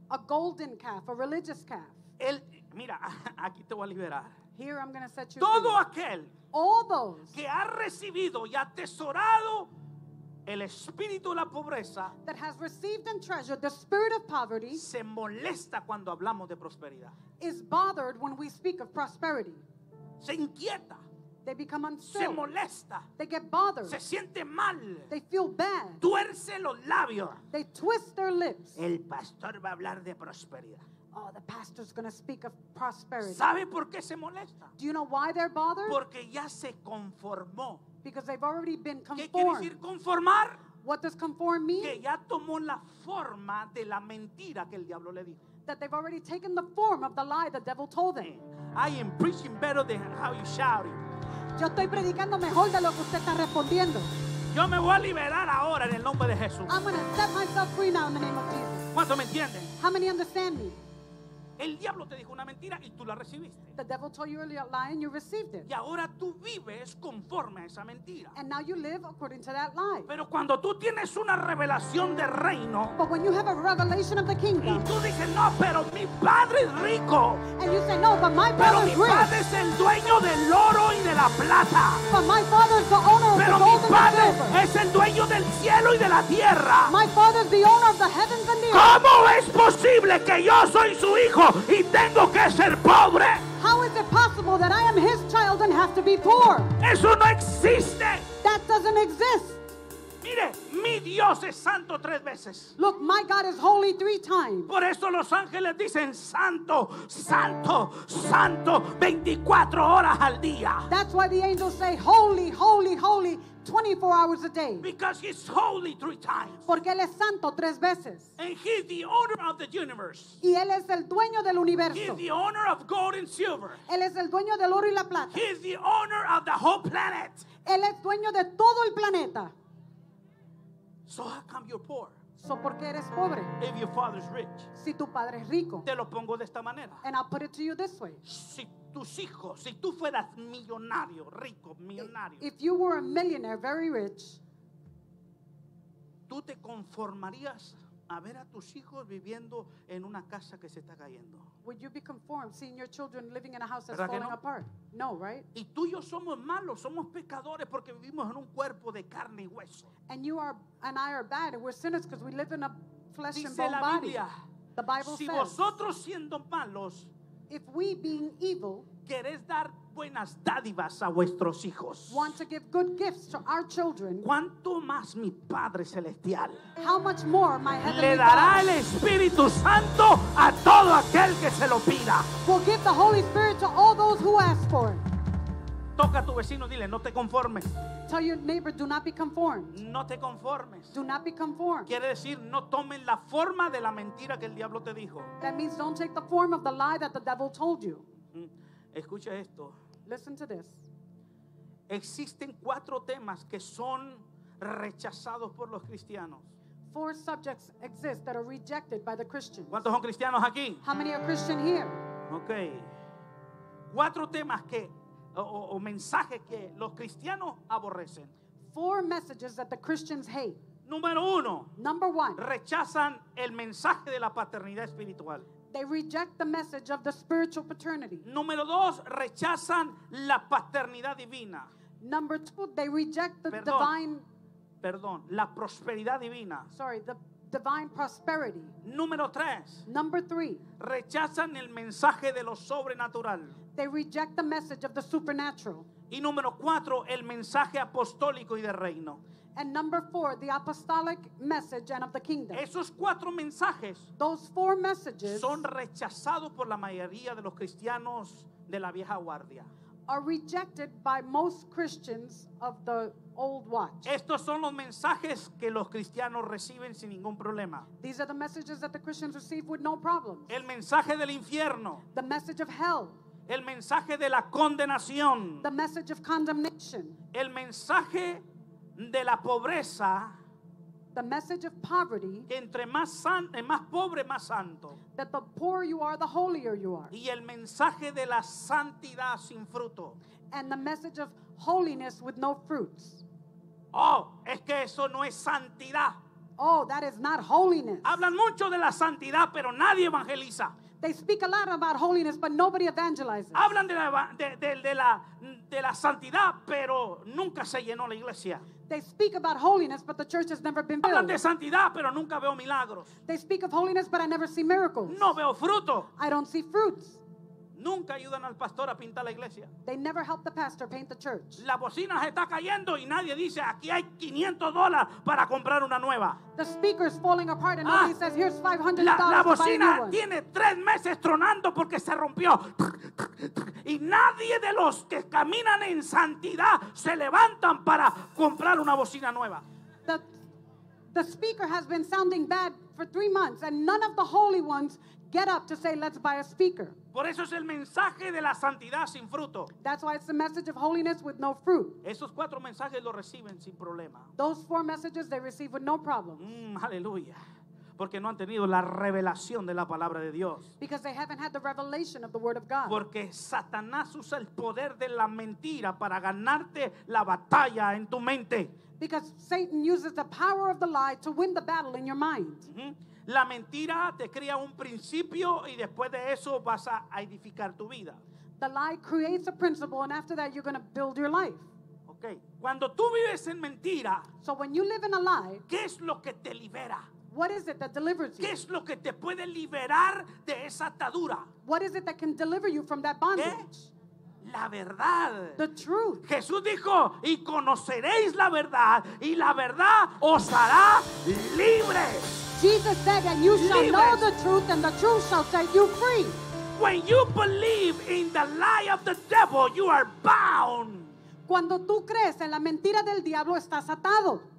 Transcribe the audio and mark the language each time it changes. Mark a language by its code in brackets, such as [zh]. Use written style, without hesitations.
[en] A golden calf, a religious calf. [es] El, mira, aquí te voy a liberar. [en] Here I'm going to set you [es] todo [en] free. [es] Aquel [en] all those [es] que ha recibido y atesorado el espíritu de la pobreza [en] that has received and treasured the spirit of poverty [es] se molesta cuando hablamos de prosperidad. [en] Is bothered when we speak of prosperity. [es] Se inquieta. [en] They become unsettled. [es] Se molesta. [en] They get bothered. [es] Se siente mal. [en] They feel bad. [es] Tuerce los labios. [en] They twist their lips. [es] El pastor va a hablar de prosperidad. [en] Oh, the pastor's going to speak of prosperity. [es] ¿Sabe por qué se molesta? [en] Do you know why they're bothered? [es] Porque ya se conformó. [en] Because they've already been conformed. [es] ¿Qué quiere decir conformar? [en] What does conform mean? [es] Que ya tomó la forma de la mentira que el diablo le dijo. [en] That they've already taken the form of the lie the devil told them. I am preaching better than how you shout it. [es] Yo estoy predicando mejor de lo que usted está respondiendo. Yo me voy a liberar ahora en el nombre de Jesús. [en] I'm going to set myself free now in the name of Jesus. [es] ¿Cuánto me entienden? [en] How many understand me? [es] El diablo te dijo una mentira y tú la recibiste. [en] The devil told you a lie and you received it. [es] Y ahora tú vives conforme a esa mentira. [en] And now you live according to that lie. [es] Pero cuando tú tienes una revelación de reino. [en] But when you have a revelation of the kingdom. [es] Y tú dices, no, pero mi padre es rico. [en] And you say, no, but my father is rich. [es] Pero mi padre es el dueño del oro y de la plata. [en] But my father is the owner of the gold and the silver. [es] Pero mi padre es el dueño del cielo y de la tierra. [en] My father is the owner of the heavens and the earth. [es] ¿Cómo es posible que yo soy su hijo y tengo que ser pobre? [en] How is it possible that I am his child and have to be poor? [es] Eso no existe. [en] That doesn't exist. [es] Mire, mi Dios es santo tres veces. [en] Look, my God is holy three times. [es] Por eso los ángeles dicen santo, santo, santo 24 horas al día. [en] That's why the angels say holy, holy, holy 24 hours a day. Because he's holy three times. [es] Porque él es santo tres veces. [en] And he's the owner of the universe. [es] Y él es el dueño del universo. [en] He's the owner of gold and silver. [es] Él es el dueño del oro y la plata. [en] He's the owner of the whole planet. [es] Él es dueño de todo el planeta. [en] So how come you're poor? [es] So por qué eres pobre? [en] If your father's rich. [es] Si tu padre es rico. Te lo pongo de esta manera. [en] And I'll put it to you this way. [es] Si tus hijos, si tú fueras millonario, rico, millonario. [en] If you were a millionaire, very rich. [es] ¿Tú te conformarías a ver a tus hijos viviendo en una casa que se está cayendo? [en] Would you be conformed seeing your children living in a house that's falling apart? No, right? [es] Y tú y yo somos malos, somos pecadores porque vivimos en un cuerpo de carne y hueso. [en] And you are and I are bad. We're sinners because we live in a flesh [es] dice [en] and bone [es] la Biblia, [en] body. The Bible [es] si [en] says. [es] Si vosotros siendo malos, [en] if we being evil, [es] querés dar buenas dádivas a vuestros hijos. [en] Want to give good gifts to our children. [es] ¿Cuánto más mi Padre Celestial? [en] How much more my heavenly [es] le dará [en] God [es] el Espíritu Santo a todo aquel que se lo pida. [en] Will give the Holy Spirit to all those who ask for it. [es] Toca a tu vecino, dile, no te conformes. [en] Tell your neighbor, do not be conformed. [es] No te conformes. [en] Do not be conformed. [es] Quiere decir, no tomen la forma de la mentira que el diablo te dijo. [en] That means don't take the form of the lie that the devil told you. [es] Escucha esto. [en] Listen to this. [es] Existen cuatro temas que son rechazados por los cristianos. [en] Four subjects exist that are rejected by the Christians. [es] ¿Cuántos son cristianos aquí? [en] How many are Christian here? Okay. [es] Cuatro temas que o mensajes que los cristianos aborrecen. [en] four messages that the Christians hate. [es] Número uno. [en] Number one. [es] Rechazan el mensaje de la paternidad espiritual. [en] They reject the message of the spiritual paternity. [es] Número dos. Rechazan la paternidad divina. [en] Number two. They reject the divine. [es] Perdón. La prosperidad divina. [en] Sorry. The divine prosperity. [es] Número tres. [en] Number three. [es] Rechazan el mensaje de lo sobrenatural. [en] They reject the message of the supernatural. [es] Y número cuatro, el mensaje apostólico y del reino. [en] And number four, the apostolic message and of the kingdom. [es] Esos cuatro mensajes, [en] those four messages, [es] son rechazados por la mayoría de los cristianos de la vieja guardia. [en] Are rejected by most Christians of the old watch. [es] Estos son los mensajes que los cristianos reciben sin ningún problema. [en] These are the messages that the Christians receive with no problems. [es] El mensaje del infierno. [en] The message of hell. [es] El mensaje de la condenación. [en] The message of condemnation. [es] El mensaje de la pobreza. [en] The message of poverty. [es] Que entre más santo, más pobre, más santo. [en] That the poorer you are, the holier you are. [es] Y el mensaje de la santidad sin fruto. [en] And the message of holiness with no fruits. [es] Oh, es que eso no es santidad. [en] Oh, that is not holiness. [es] Hablan mucho de la santidad, pero nadie evangeliza. [en] They speak a lot about holiness, but nobody evangelizes. [es] Hablan de la santidad, pero nunca se llenó la iglesia. [en] They speak about holiness, but the church has never been filled. [es] Hablan de santidad, pero nunca veo milagros. [en] They speak of holiness, but I never see miracles. [es] No veo fruto. [en] I don't see fruits. [es] Nunca ayudan al pastor a pintar la iglesia. [en] They never help the pastor paint the church. [es] La bocina se está cayendo y nadie dice, aquí hay $500 para comprar una nueva. [en] The speaker is falling apart and nobody says, here's $500 to buy a new one. [es] La bocina tiene tres meses tronando porque se rompió. Y nadie de los que caminan en santidad se levantan para comprar una bocina nueva. [en] The speaker has been sounding bad for 3 months and none of the holy ones get up to say, let's buy a speaker. [es] Por eso es el mensaje de la santidad sin fruto. [en] That's why it's the message of holiness with no fruit. [es] Esos cuatro mensajes lo reciben sin problema. [en] Those four messages they receive with no problem. [es] Aleluya. Porque no han tenido la revelación de la palabra de Dios. [en] Because they haven't had the revelation of the word of God. [es] Porque Satanás usa el poder de la mentira para ganarte la batalla en tu mente. [en] Because Satan uses the power of the lie to win the battle in your mind. Mm-hmm. [es] La mentira te crea un principio y después de eso vas a edificar tu vida. [en] The lie creates a principle and after that you're going to build your life. [es] Okay. Cuando tú vives en mentira, [en] so when you live in a lie, [es] ¿qué es lo que te libera? [en] What is it that delivers you? [es] ¿Qué es lo que te puede liberar de esa atadura? [en] What is it that can deliver you from that bondage? [es] ¿Qué? La verdad. [en] The truth. [es] Jesús dijo, y conoceréis la verdad, y la verdad os hará libres. [en] Jesus said, and you shall [es] libres. [en] Know the truth, and the truth shall set you free. When you believe in the lie of the devil, you are bound. [es] Cuando tú crees en la mentira del diablo, estás atado.